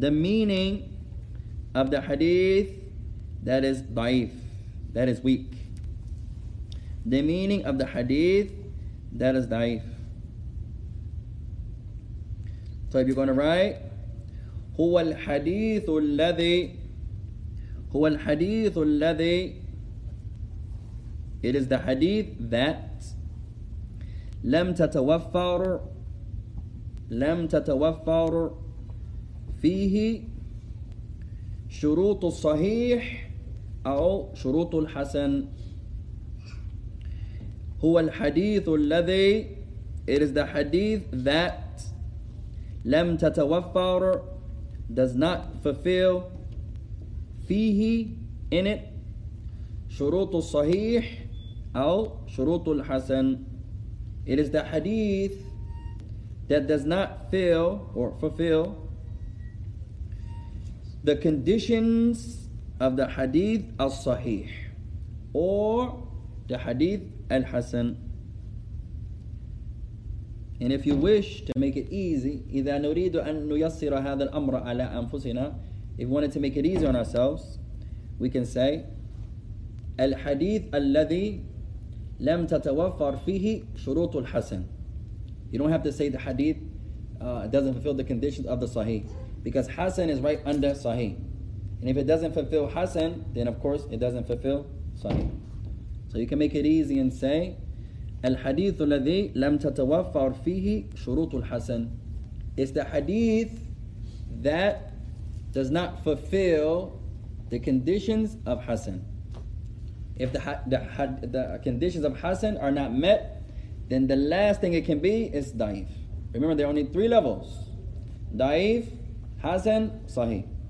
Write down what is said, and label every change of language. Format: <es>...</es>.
<en>The meaning of the hadith that is ضعيف, that is weak. The meaning of the hadith that is ضعيف.</en> <ar>So if you're going to write, هو الحديث الذي, هو الحديث الذي,</ar> <en>it is the hadith that</en> <ar>لم تتوفر فيه شروط الصحيح أو شروط الحسن. هو الحديث الذي,</ar> <en>it is the hadith that</en> <ar>لم تتوفر,</ar> <en>does not fulfill,</en> <ar>فيه,</ar> <en>in it,</en> <ar>شروط الصحيح أو شروط الحسن.</ar> <en>It is the hadith that does not fill or fulfill the conditions of the hadith الصحيح or the hadith الحسن. And if you wish to make it easy,</en> <ar>إذا نريد أن نيسر هذا الأمر على أنفسنا,</ar> <en>if we wanted to make it easy on ourselves, we can say</en> <ar>الحديث الذي لم تتوفر فيه شروط الحسن.</ar> <en>You don't have to say the hadith doesn't fulfill the conditions of the sahih, because حسن is right under sahih, and if it doesn't fulfill حسن, then of course it doesn't fulfill sahih. So you can make it easy and say</en> <ar>الحديث الذي لم تتوفر فيه شروط الحسن.</ar> <en>It's the hadith that does not fulfill the conditions of حسن. If the conditions of حسن are not met, then the last thing it can be is ضعيف. Remember, there are only three levels: ضعيف, حسن, صحيح.</en>